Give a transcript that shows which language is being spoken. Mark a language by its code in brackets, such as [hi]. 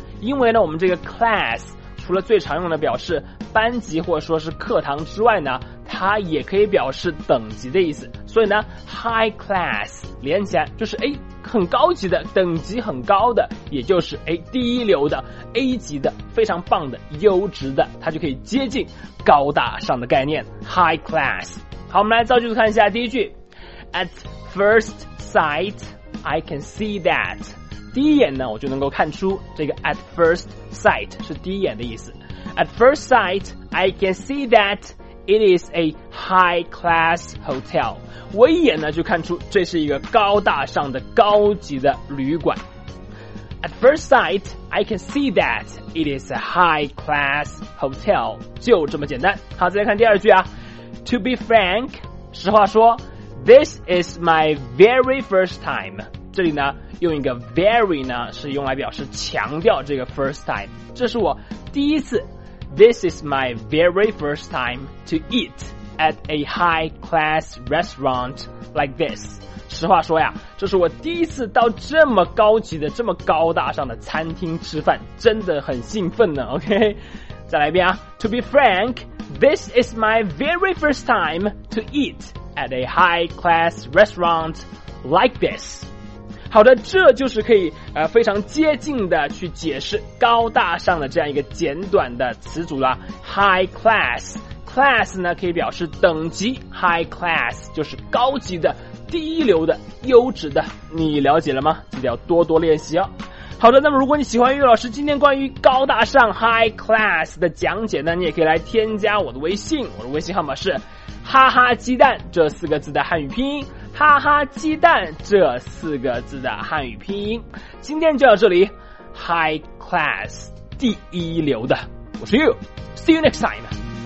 [zh] 因为呢，我们这个 class 除了最常用的表示班级或者说是课堂之外呢，它也可以表示等级的意思。所以呢 ，High class 连起来就是哎，很高级的，等级很高的，也就是哎，第一流的 A 级的，非常棒的、优质的，它就可以接近高大上的概念 ，High class。好，我们来造句子看一下。第一句 ， [en] At first sight, I can see that。 [zh] 第一眼呢，我就能够看出这个 [en] At first sight [zh] 是第一眼的意思。 [en] At first sight, I can see that it is a high class hotel。 [zh] 我一眼呢就看出这是一个高大上的高级的旅馆。 [en] At first sight, I can see that it is a high class hotel。 [zh] 就这么简单。好，再来看第二句啊。 [en] To be frank, [zh] 实话说 [en] This is my very first time。 [zh] 这里呢用一个 very 呢是用来表示强调这个 first time， 这是我第一次。 [en] This is my very first time to eat at a high class restaurant like this。 [zh] 实话说呀，这是我第一次到这么高级的、这么高大上的餐厅吃饭，真的很兴奋呢。 OK， 再来一遍啊。 [en] To be frankThis is my very first time to eat at a high-class restaurant like this. [zh] 好的，这就是可以非常接近的去解释高大上的这样一个简短的词组了。 High class, class 呢可以表示等级 ，high class 就是高级的、第一流的、优质的。你了解了吗？记得要多多练习哦。好的，那么如果你喜欢岳老师今天关于高大上 high class 的讲解呢，你也可以来添加我的微信，我的微信号码是哈哈鸡蛋这四个字的汉语拼音，哈哈鸡蛋这四个字的汉语拼音。今天就到这里， high class 第一流的，我是 you， [en] see you next time。